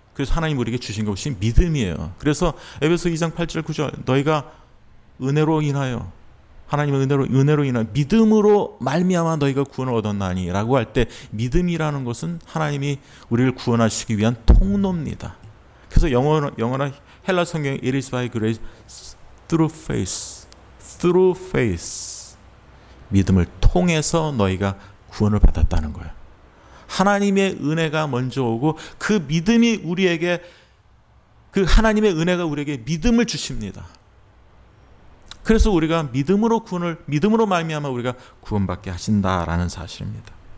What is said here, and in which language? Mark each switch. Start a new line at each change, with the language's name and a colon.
Korean: 그래서 하나님 우리에게 주신 것이 믿음이에요. 그래서 에베소 2장 8절 9절 너희가 은혜로 인하여, 하나님의 은혜로 인하여 믿음으로 말미암아 너희가 구원을 얻었나니 라고 할 때 믿음이라는 것은 하나님이 우리를 구원하시기 위한 통로입니다. 그래서 영어나 헬라 성경
English: It is by grace through faith. Through faith.
Korean: 믿음을 통해서 너희가 구원을 받았다는 거예요. 하나님의 은혜가 먼저 오고 그 믿음이 우리에게, 그 하나님의 은혜가 우리에게 믿음을 주십니다. 그래서 우리가 믿음으로 말미암아 우리가 구원받게 하신다라는 사실입니다.